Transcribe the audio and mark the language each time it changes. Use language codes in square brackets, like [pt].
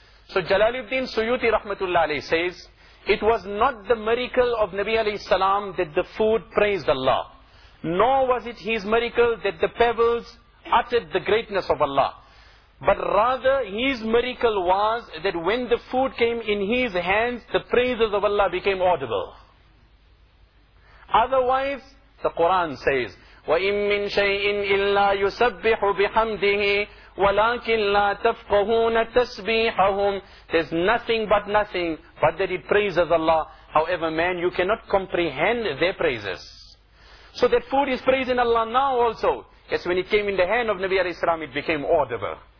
[en] So Jalaluddin Suyuti rahmatullah alayhi says, it was not the miracle of Nabi alayhi salam that the food praised Allah. Nor was it his miracle that the pebbles uttered the greatness of Allah. But rather his miracle was that when the food came in his hands, the praises of Allah became audible. Otherwise, the Quran says, [ar] وَإِن مِّن شَيْءٍ إِلَّا يُسَبِّحُ بِحَمْدِهِ وَلَاكِنْ لَا تَفْقَهُونَ تَسْبِيحَهُمْ. [en] There's nothing, but that it praises Allah. However, man, you cannot comprehend their praises. So that food is praising Allah now also. Yes, when it came in the hand of Nabi alayhi salam, it became audible.